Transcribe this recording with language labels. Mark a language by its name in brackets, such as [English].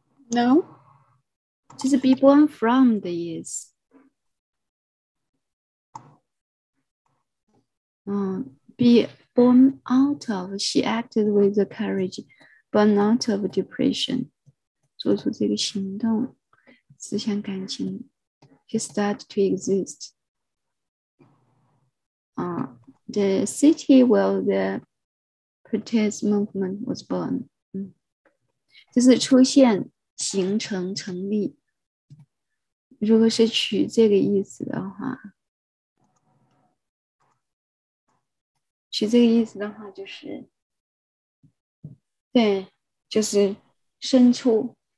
[English] No. [Chinese] 就是 [English] be born from [Chinese] 的意思。 [English] Be born out of. She acted with the courage, born out of depression. [Chinese] 做出这个行动，思想感情。 [English] She started to exist. The city where the protest movement was born. [Chinese] 就是出现、形成、成立。如果是取这个意思的话，取这个意思的话就是，对，就是生出。